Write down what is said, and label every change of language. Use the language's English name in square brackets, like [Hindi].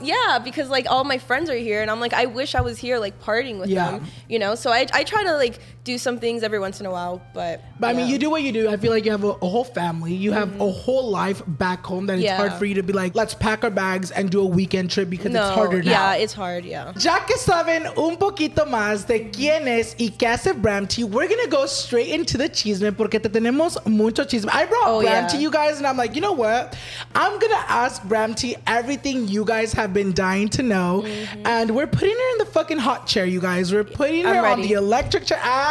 [English] Yeah, because like all my friends are here and I'm like, I wish I was here like partying with them, you know? So I try to like do some things every once in a while, but I mean, you do what you do. I feel like you have a whole family, you have a whole life back home, that it's hard for you to be like, let's pack our bags and do a weekend trip, because it's harder now. Yeah, it's hard. Yeah. [Spanish] Ya que saben un poquito más de quién es y qué hace Bramty, [English] we're gonna go straight into the [Spanish] chisme, porque te tenemos mucho chisme. [English] I brought Bramty, you guys, and I'm like, you know what, I'm gonna ask Bramty everything you guys have been dying to know. And we're putting her in the fucking hot chair, you guys. We're putting her on the electric chair.